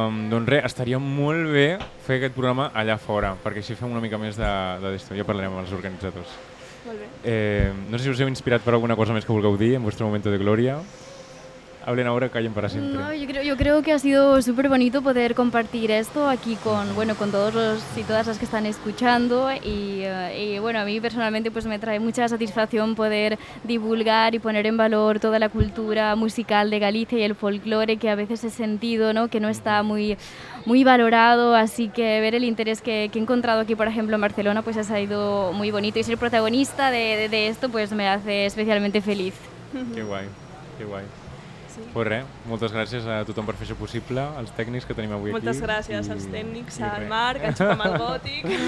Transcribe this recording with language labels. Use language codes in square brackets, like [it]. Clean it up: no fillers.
[ca] Doncs res, estaria molt bé fer aquest programa allà fora, perquè així fem una mica més de d'això. Jo parlarem amb els organitzadors. Molt bé. No sé si us heu inspirat per alguna cosa més que vulgueu dir en vostre moment de glòria. [es] Hablen ahora, callen para siempre. No, yo creo que ha sido súper bonito poder compartir esto aquí con, bueno, con todos los y todas las que están escuchando y bueno, a mí personalmente pues me trae mucha satisfacción poder divulgar y poner en valor toda la cultura musical de Galicia y el folclore que a veces he sentido, ¿no?, que no está muy, muy valorado, así que ver el interés que he encontrado aquí, por ejemplo, en Barcelona, pues ha sido muy bonito y ser protagonista de esto pues me hace especialmente feliz. Qué guay, qué guay. [ca] Pues res, moltes gràcies a tothom per fer això possible, als tècnics que tenim avui moltes aquí. Moltes gràcies als tècnics, al Marc, al Gòtic.